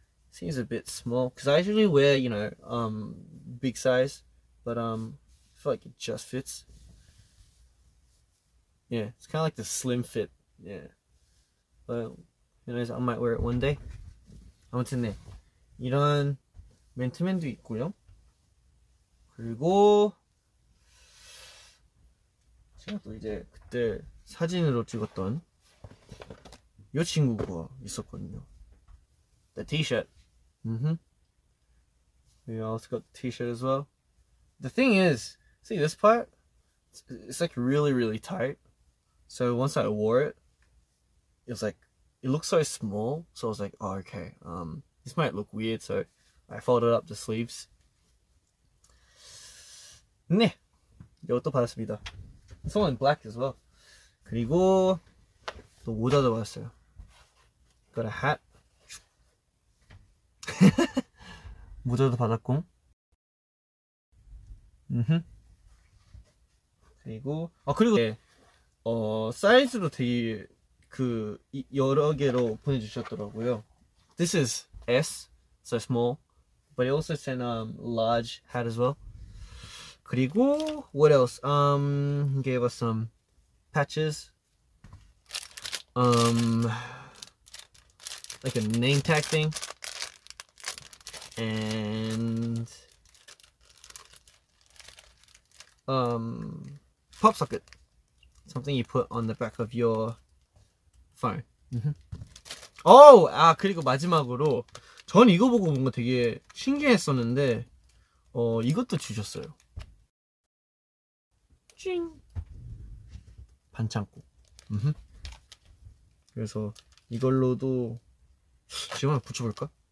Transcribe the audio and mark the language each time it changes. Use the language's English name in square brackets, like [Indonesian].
[English] Seems a bit small because I usually wear, big size, but I feel like it just fits. Yeah, it's kind of like the slim fit. Yeah, but I might wear it one day. [Korean] 아무튼 네, 이런 맨투맨도 있고요. 그리고 제가 또 이제 그때 사진으로 찍었던 이 친구가 있었거든요. [English] The T-shirt. We also got the T-shirt as well. The thing is, see this part? It's like really, really tight. So once I wore it, it was like, it looks so small. So I was like, oh, okay. This might look weird. So I folded up the sleeves. [Korean] 네, 이것도 받았습니다. [English] This one in black as well. [Korean] 그리고 또 모자도 받았어요. [English] Got a hat. [Korean] 모자도 받았고. 그리고 그리고 네. 사이즈도 되게 여러 개로 보내주셨더라고요. [English] This is S, so small. But he also sent large hat as well. [Korean] 그리고 [English] what else? Gave us some patches. Like a name tag thing. And pop socket. Something you put on the back of your phone. [Korean] 그리고 마지막으로 전 이거 보고 뭔가 되게 신기했었는데 이것도 주셨어요. 찡. 반창고. 그래서 이걸로도 지금 하나 붙여볼까?